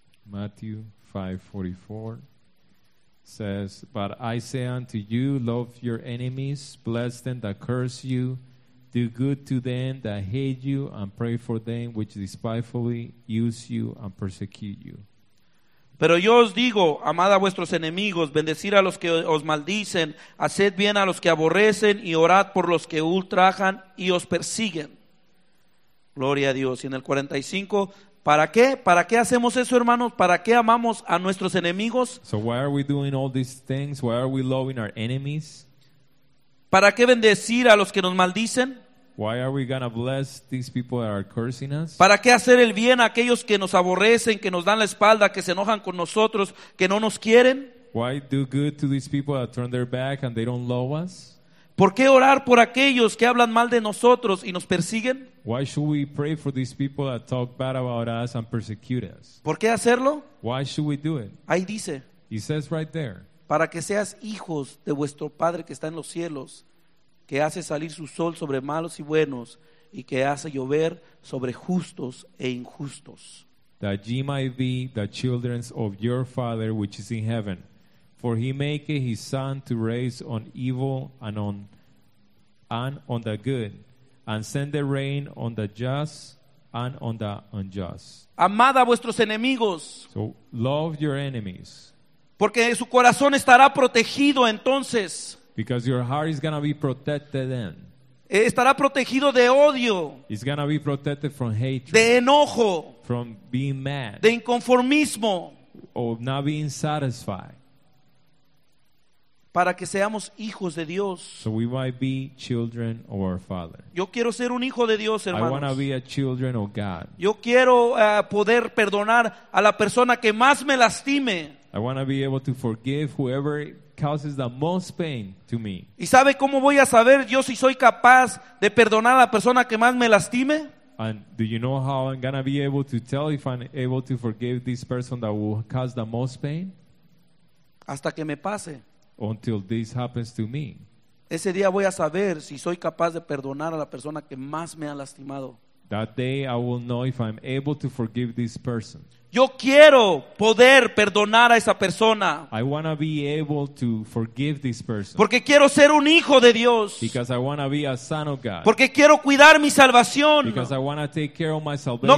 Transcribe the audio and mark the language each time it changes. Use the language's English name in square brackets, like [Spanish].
[English] Matthew 5:44 says, "But I say unto you, love your enemies, bless them that curse you, do good to them that hate you, and pray for them which despitefully use you and persecute you." [Spanish] Pero yo os digo, amad a vuestros enemigos, bendecid a los que os maldicen, haced bien a los que aborrecen y orad por los que ultrajan y os persiguen. Gloria a Dios. Y en el 45, ¿para qué? ¿Para qué hacemos eso, hermanos? ¿Para qué amamos a nuestros enemigos? [English] So why are we doing all these things? Why are we loving our enemies? [Spanish] ¿Para qué bendecir a los que nos maldicen? [English] Why are we going to bless these people that are cursing us? [Spanish] ¿Para qué hacer el bien a aquellos que nos aborrecen, que nos dan la espalda, que se enojan con nosotros, que no nos quieren? [English] Why do good to these people that turn their back and they don't love us? [Spanish] ¿Por qué orar por aquellos que hablan mal de nosotros y nos persiguen? [English] Why should we pray for these people that talk bad about us and persecute us? [Spanish] ¿Por qué hacerlo? [English] Why should we do it? [Spanish] Ahí dice. [English] It says right there. [Spanish] Para que seas hijos de vuestro Padre que está en los cielos, que hace salir su sol sobre malos y buenos, y que hace llover sobre justos e injustos. [English] That ye might be the children of your Father which is in heaven. For he maketh his sun to rise on evil and on the good, and send the rain on the just and on the unjust. [Spanish] Amad a vuestros enemigos. [English] So love your enemies. [Spanish] Porque su corazón estará protegido entonces. [English] Because your heart is going to be protected then. [Spanish] Estará protegido de odio. [English] It's going to be protected from hatred. [Spanish] De enojo. [English] From being mad. [Spanish] De inconformismo. [English] Of not being satisfied. [Spanish] Para que seamos hijos de Dios. [English] So we might be children of our Father. [Spanish] Yo quiero ser un hijo de Dios, hermanos. [English] I want to be a children of God. [Spanish] Yo quiero poder perdonar a la persona que más me lastime. [English] I want to be able to forgive whoever causes the most pain to me. [Spanish] ¿Y sabe cómo voy a saber yo si soy capaz de perdonar a la persona que más me lastime? [English] And do you know how I'm going to be able to tell if I'm able to forgive this person that will cause the most pain? [Spanish] Hasta que me pase. [English] Until this happens to me. [Spanish] Ese día voy a saber si soy capaz de perdonar a la persona que más me ha lastimado. [English] That day I will know if I'm able to forgive this person. [Spanish] Yo quiero poder perdonar a esa persona. [English] I want to be able to forgive this person. [Spanish] Porque quiero ser un hijo de Dios. [English] Because I want to be a son of God. [Spanish] Porque quiero cuidar mi salvación. [English] Because I want to take care of my salvation.